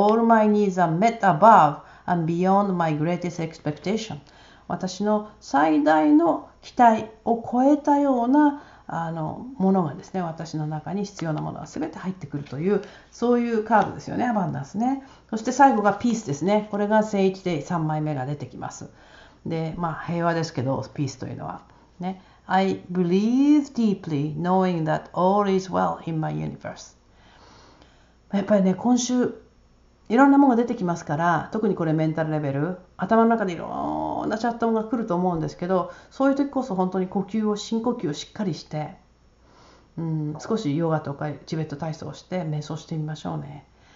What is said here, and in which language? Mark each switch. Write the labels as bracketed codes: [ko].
[en] All my needs are met above and beyond my greatest expectation。 [ja] 私の最大の期待を超えたようなものがですね、私の中に必要なものが全て入ってくるという、そういうカードですよね、アバンダンスね。そして最後がピースですね。これが聖域で3枚目が出てきます。で、まあ平和ですけど、ピースというのはね、 [en] I breathe deeply knowing that all is well in my universe。 [ja] やっぱりね、今週いろんなものが出てきますから、特にこれメンタルレベル、頭の中でいろんなチャットが来ると思うんですけど、そういう時こそ本当に呼吸を、深呼吸をしっかりして、少しヨガとかチベット体操をして瞑想してみましょうね。